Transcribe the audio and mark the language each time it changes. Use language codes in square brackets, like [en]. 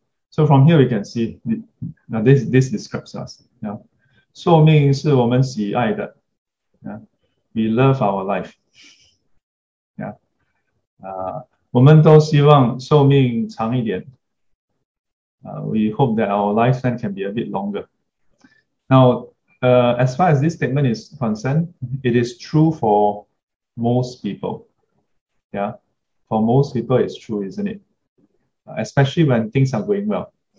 [en] So from here we can see, now this describes us. So means [zh] 是我们喜爱的, [en] we love our life. [zh] 我们都希望寿命长一点。 [en] We hope that our lifespan can be a bit longer. Now, as far as this statement is concerned, it is true for most people. Yeah, for most people, it's true, isn't it? Especially when things are going well.